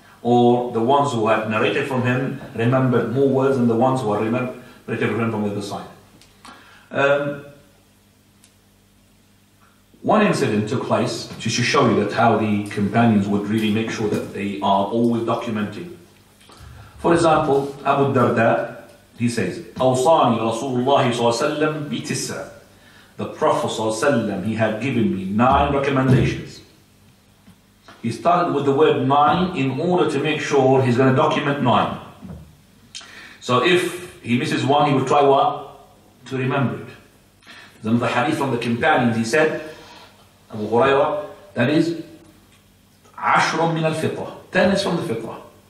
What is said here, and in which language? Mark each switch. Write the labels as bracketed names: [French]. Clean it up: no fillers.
[English] Or the ones who had narrated from him remembered more words than the ones who had narrated from him from the other side. One incident took place, just to show you that how the companions would really make sure that they are always documenting. For example, Abu Darda, he says, [Arabic] أوصاني رسول الله صلى الله عليه وسلم بتسع. [English] The Prophet صلى الله عليه وسلم, he had given me 9 recommendations. He started with the word 9 in order to make sure he's going to document 9. So if he misses one, he would try what? To remember it. Then the hadith from the companions, he said, Abu Hurairah, that is [Arabic] عَشْرٌ مِنَ الْفِطْرَةِ [English] 10 is from the fitrah.